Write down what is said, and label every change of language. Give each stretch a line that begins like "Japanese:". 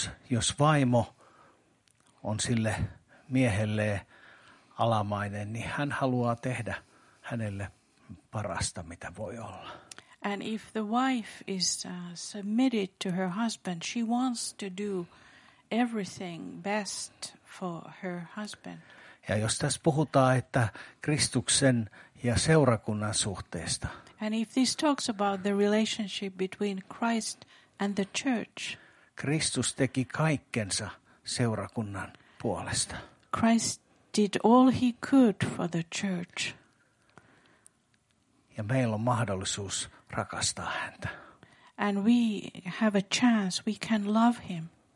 Finnish: Jos vaimo on sille miehelle alamainen, niin hän haluaa tehdä hänelle parasta mitä voi olla.
English: And if the wife is submitted to her husband, she wants to do everything best for her husband.
Finnish: Ja jos tässä puhutaan, että Kristuksen ja seurakunnan suhteesta.
English: And if this talks about the relationship between Christ and the church.
Finnish: Kristus teki kaikkensa seurakunnan puolesta.
English: Christ did all he could for the church.
Finnish: Ja meillä on mahdollisuus rakastaa häntä.
English: And we have a chance, we can love him.